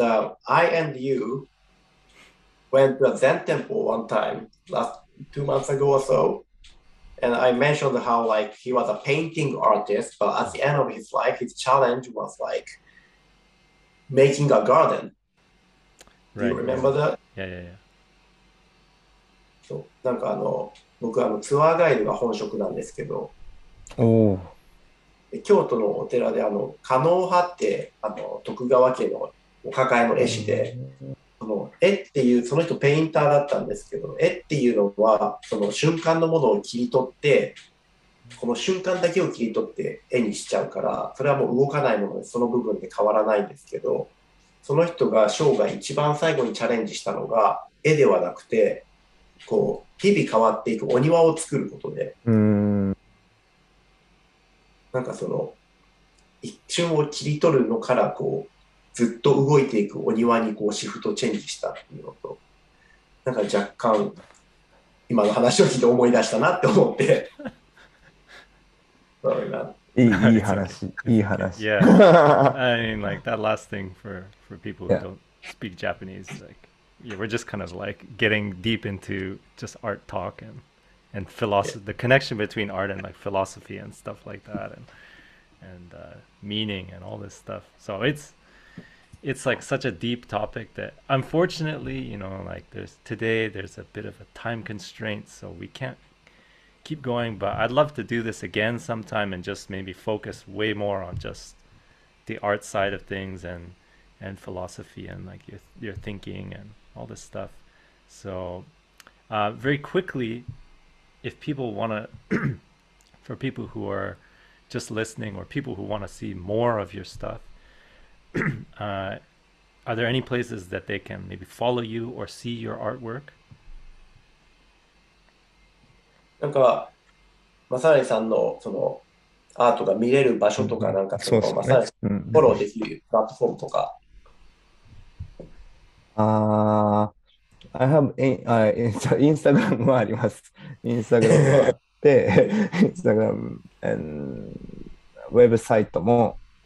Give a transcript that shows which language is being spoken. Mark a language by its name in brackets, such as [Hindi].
[English] I and you went to a Zen temple one time, last 2 months ago or so, and I mentioned how like he was a painting artist, but at the end of his life, his challenge was like making a garden. Right. Do you remember that? Yeah. [Japanese] So,僕はツアーガイドが本職なんですけど。京都のお寺で狩野派って徳川家のお抱えの絵師で、絵っていうその人ペインターだったんですけど、絵っていうのはその瞬間のものを切り取って、この瞬間だけを切り取って絵にしちゃうから、それはもう動かないものでその部分で変わらないんですけど、その人が生涯一番最後にチャレンジしたのが絵ではなくて、こう日々変わっていくお庭を作ることで、なんかその一瞬を切り取るのからこうずっと動いていくお庭にこうシフトチェンジしたっていうのと、なんか若干今の話を聞いて思い出したなって思って、いい話、いい話。 [English] Yeah, I mean, like that last thing for people who don't speak Japanese, like, yeah, we're just kind of like getting deep into just art talk and philosophy, the connection between art and like philosophy and stuff like that, and meaning and all this stuff. So it's like such a deep topic that, unfortunately, you know, like there's a bit of a time constraint, so we can't keep going, but I'd love to do this again sometime and just maybe focus way more on just the art side of things and philosophy and like your thinking and all this stuff. So very quickly, if people want to, for people who are just listening or people who want to see more of your stuff, are there any places that they can maybe follow you or see your artwork? [Japanese] なんか、マサリさんのそのアートが見れる場所とかなんか、そうですね。マサリさんフォローできるプラットフォームとか。 [English] I have Instagram [Japanese] もあります。 [English] Instagram もあって、Instagram and website も